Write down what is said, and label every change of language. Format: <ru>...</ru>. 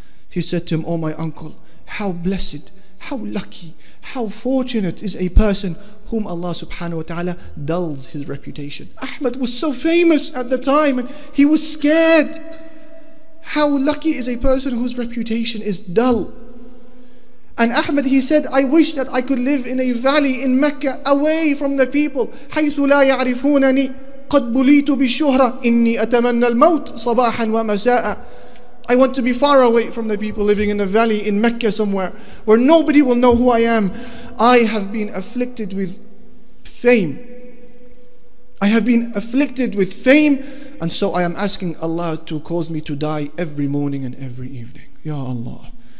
<en>He said to him, O my uncle, how blessed, how lucky, how fortunate is a person whom Allah subhanahu wa ta'ala dulls his reputation. Ahmad was so famous at the time, and he was scared. How lucky is a person whose reputation is dull. And Ahmad, he said, I wish that I could live in a valley in Mecca, away from the people.</en> <ar>حيث لا يعرفونني قد بليت بالشهرة إني أتمنى الموت صباحا ومساء.</ar> <en>I want to be far away from the people, living in a valley in Mecca somewhere, where nobody will know who I am. I have been afflicted with fame. I have been afflicted with fame, and so I am asking Allah to cause me to die every morning and every evening. Ya Allah.</en>